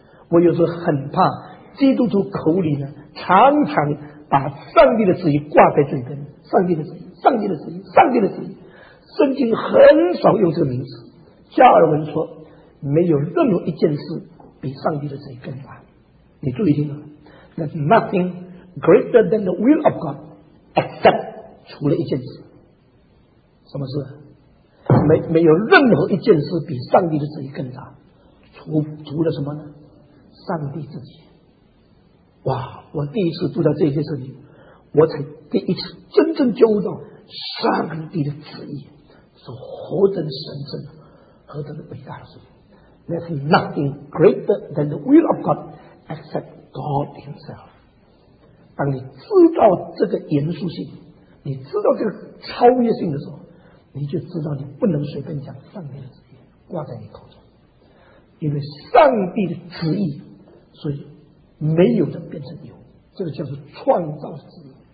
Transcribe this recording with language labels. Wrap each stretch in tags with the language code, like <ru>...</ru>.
<zh>我有时候很怕基督徒口里呢常常把上帝的旨意挂在嘴边，上帝的旨意，上帝的旨意，上帝的旨意。圣经很少用这个名词。加尔文说，没有任何一件事比上帝的旨意更大。你注意听了，那</zh> <en>nothing greater than the will of God except</en> <zh>除了一件事。什么事？没有任何一件事比上帝的旨意更大，除了什么呢？上帝自己。哇，我第一次读到这些事情，我才第一次真正觉悟到上帝的旨意是何等神圣，何等的伟大的事情。</zh> <en>There's nothing greater than the will of God except God himself。</en> <zh>当你知道这个严肃性，你知道这个超越性的时候，你就知道你不能随便讲上帝的旨意挂在你口中，因为上帝的旨意，所以没有的变成有，这个叫做创造旨意。</zh>